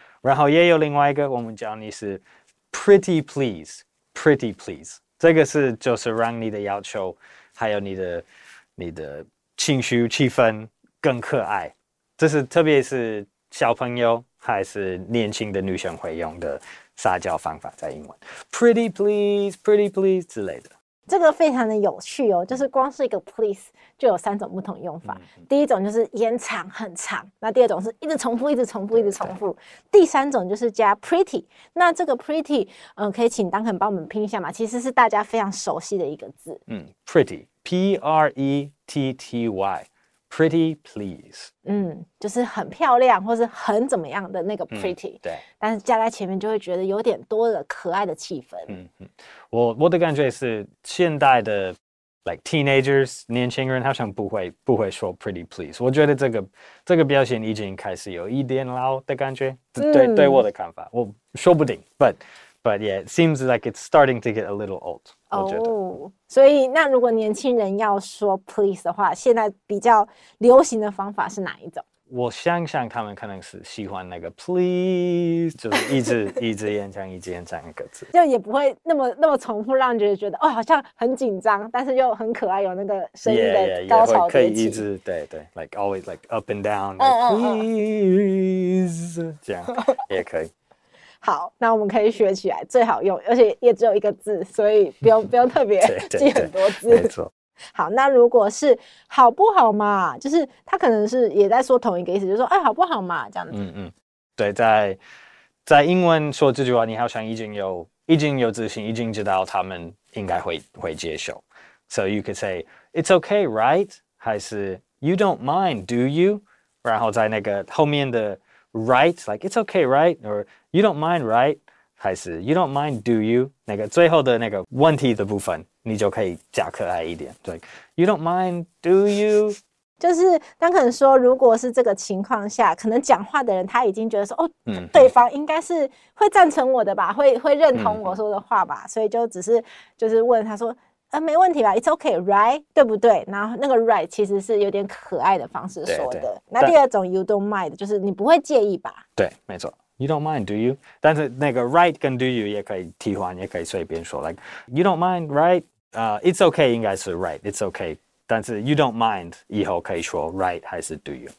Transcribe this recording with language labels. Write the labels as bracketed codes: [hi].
[zh] 然后也有另外一个我们教你是 [en] Pretty please, pretty please. [zh] 这个是就是让你的要求还有你的情绪气氛更可爱。这是特别是小朋友还是年轻的女生会用的撒娇方法在英文。 [en] Pretty please, pretty please [zh] 之类的。这个非常的有趣哦，就是光是一个 please 就有三种不同用法。第一种就是延长很长，那第二种是一直重复一直重复一直重复，第三种就是加 pretty。那这个 pretty、可以请 Duncan 帮我们拼一下嘛，其实是大家非常熟悉的一个字。 [en] pretty P-R-E-T-T-Y pretty please。 [zh] 就是很漂亮或是很怎么样的那个 pretty、对，但是加在前面就会觉得有点多的可爱的气氛。我的感觉是现代的 like teenagers 年轻人好像不会说 pretty please， 我觉得这个表现已经开始有一点老的感觉。对我的看法，我说不定 [en] but yeah it seems like it's starting to get a little old。 [zh] 所以那如果年轻人要说 please 的话，现在比较流行的方法是哪一种？我想想，他们可能是喜欢那个 please， 就是一直一直延长一直延长一个字，就也不会那么重复，让人觉得哦好像很紧张，但是又很可爱，有那个声音的高潮迭起。也会可以一直对对 [en] like always like up and down like please [zh] 这样也可以。好，那我们可以学起来，最好用，而且也只有一个字，所以不用特别记很多字。对对对，没错。好，那如果是好不好嘛，就是他可能是也在说同一个意思，就是说哎好不好嘛这样子。对，在英文说这句话，你好像已经有自信，已经知道他们应该会接受。 [en] So you could say it's okay, right? [zh] 还是 [en] you don't mind, do you? [zh] 然后在那个后面的 right, [en] like it's okay, right? Or you don't mind, right? [zh] 还是 [en] you don't mind, do you? [zh] 那个最后的那个问题的部分。你就可以加可爱一点 like, [en] You don't mind, do you? [zh] 就是当可能说如果是这个情况下，可能讲话的人他已经觉得说哦，对方应该是会赞成我的吧，会认同我说的话吧，所以就只是就是问他说没问题吧， [en] It's okay, right? [zh] 对不对？然后那个 right 其实是有点可爱的方式说的。对对，那第二种 you don't mind 就是你不会介意吧。对，没错， [en] You don't mind, do you? [zh] 但是那个 right 跟 do you 也可以替换，也可以随便说 [en] like, You don't mind, right? It's okay [zh] 应该是 [en] right, it's okay. [zh] 但是 [en] you don't mind [zh] 以后可以说 [en] right [zh] 还是 [en] do you?